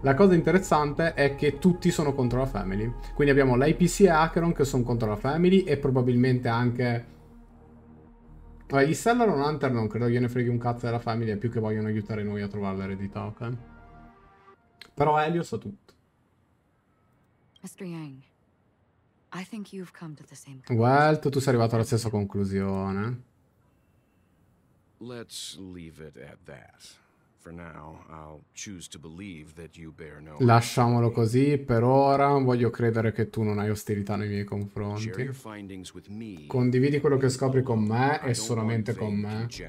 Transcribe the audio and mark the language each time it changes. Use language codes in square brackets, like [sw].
[it] La cosa interessante è che tutti sono contro la Family. Quindi abbiamo l'IPC e Acheron che sono contro la Family e probabilmente anche... Vabbè, gli Stellaron Hunter non credo gliene freghi un cazzo della Family, è più che vogliono aiutare noi a trovare l'eredità, ok? Però Helios sa tutto. [en] Mr. Yang, I think you've come to the same... [it] Welt, tu sei arrivato alla stessa conclusione. [en] Let's leave it at that. For now, I'll choose to believe that you bear no... [it] Lasciamolo così, per ora voglio credere che tu non hai ostilità nei miei confronti. Condividi quello che scopri con me e solamente con me.